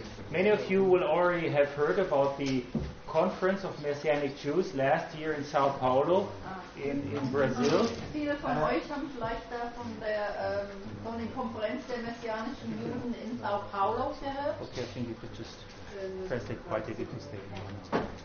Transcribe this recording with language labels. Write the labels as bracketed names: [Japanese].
[English] Many of you will already have heard about the Conference of Messianic Jews last year in Sao Paulo in Brazil. [German] Viele von euch haben vielleicht da von der Konferenz der messianischen Juden in Sao Paulo gehört. [English] Okay, I think you could just translate quite a different statement.